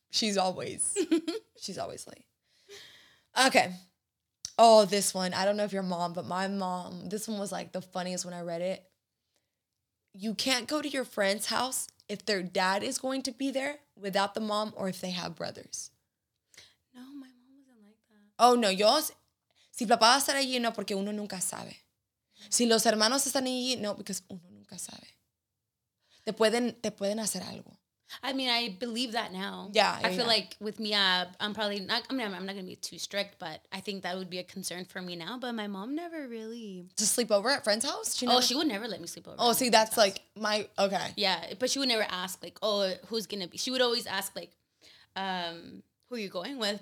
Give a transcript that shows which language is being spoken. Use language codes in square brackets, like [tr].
[en] She's always late. Okay. Oh, this one. I don't know if your mom, but my mom, this one was like the funniest when I read it. You can't go to your friend's house if their dad is going to be there without the mom or if they have brothers. No, my mom wasn't like that. Oh, no. [es] Yo, si papá va a estar allí, no, porque uno nunca sabe. Si los hermanos están allí, no, [en] because [es] uno nunca sabe. Te pueden hacer algo. [en] I mean, I believe that now. Yeah. I feel like with Mia, I'm probably not, I mean, I'm not going to be too strict, but I think that would be a concern for me now. But my mom never really. To sleep over at friend's house? She would never let me sleep over. Oh, see, that's like my, okay. Yeah. But she would never ask like, who's going to be, she would always ask like, who are you going with?